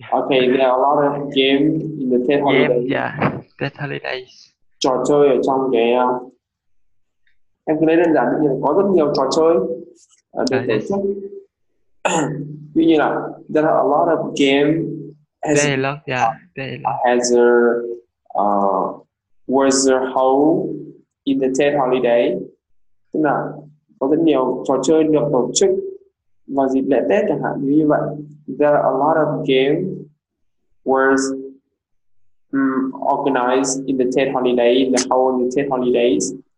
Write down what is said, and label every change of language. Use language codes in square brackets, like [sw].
[en] Okay, there are a lot of game in the Tết holiday. Tết holidays [vi] Trò chơi ở trong cái em cứ lấy đơn giản như là có rất nhiều trò chơi được [en] yes [vi] tổ chức. Ví như là [en] there are a lot of game lot yeah has a weather hole in the Tết holiday. [vi] Tức là có rất nhiều trò chơi được tổ chức vào dịp lễ Tết chẳng hạn như vậy. [en] There are a lot of game was organized in the Tết holiday, in the whole in the Tết holidays.